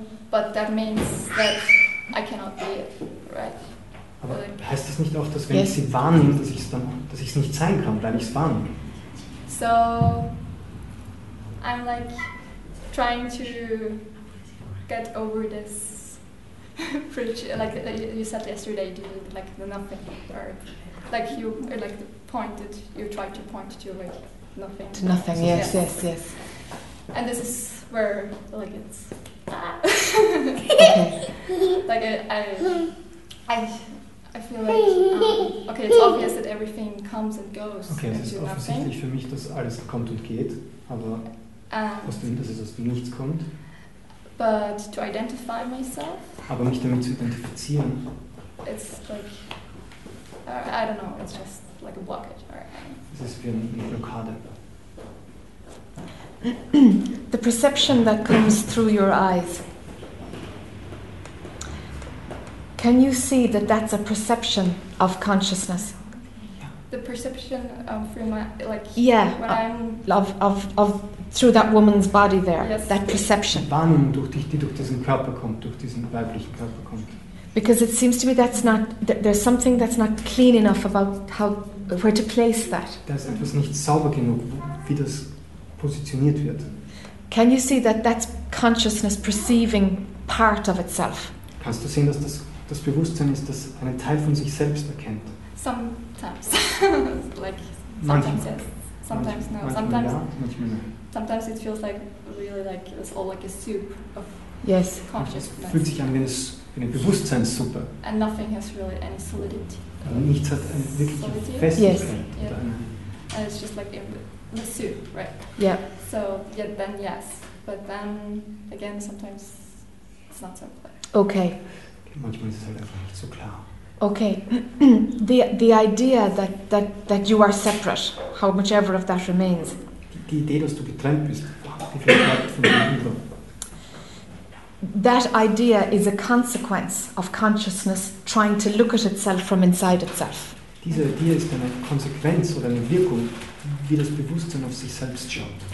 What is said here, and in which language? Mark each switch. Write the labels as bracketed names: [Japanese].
[English] But that means that I cannot be it, right? [German] Aber heißt das nicht auch, dass wenn yes. ich sie wahrnehme, dass ich es nicht sein kann, weil ich es wahrnehme? [English] So, I'm like trying to get over this bridge, like you said yesterday, like the nothing, or like you, or like the point that you tried to point to, like nothing. To nothing, so, yes, yes, yes. And this is where, like it's, like I feel like, okay, it's obvious that everything comes and goes. [German] Okay, es ist offensichtlich Für mich, dass alles kommt und geht, aber aus dem, dass es aus dem Nichts kommt. [English] But to identify myself, [German] aber mich damit zu identifizieren, [English] it's like, I don't know, it's just like a blockage. [German] Es ist wie eine Blockade. [English] The perception that comes through your eyes. Can you see that that's a perception of consciousness? The perception through my, like, yeah, when I'm of through that woman's body there, yes. That perception. [German] Wahrnehmung, die durch diesen Körper kommt, durch diesen weiblichen Körper kommt. [English] Because it seems to me that's not, there's something that's not clean enough about how, where to place that. [German] Da ist etwas nicht sauber genug, wie das positioniert wird. [English] Can you see that that's consciousness perceiving part of itself? [German] Kannst du sehen, dass das Bewusstsein ist, das einen Teil von sich selbst erkennt? [English] Sometimes. Like, sometimes [German] manchmal. [English] Yes. Sometimes [German] manchmal, [English] no. Sometimes, [German] manchmal ja. [English] Sometimes it feels like, really like, it's all like a soup of yes. consciousness. [German] Es fühlt sich an wie eine Bewusstseinssuppe. [English] And nothing has really any solidity. [German] Nichts hat eine wirkliche Festigkeit. [English] Yes. Yep. and it's just like in the soup, right? Yeah. So yeah, then yes, but then again, sometimes it's not so clear. Okay. [German] Manchmal ist es halt einfach nicht so klar. [English] Okay, the idea that you are separate, how much ever of that remains. [German] Die Idee, dass du getrennt bist, wie viel bleibt von dir über? [English] That idea is a consequence of consciousness trying to look at itself from inside itself. [German] Diese Idee ist eine Konsequenz oder eine Wirkung, wie das Bewusstsein auf sich selbst schaut.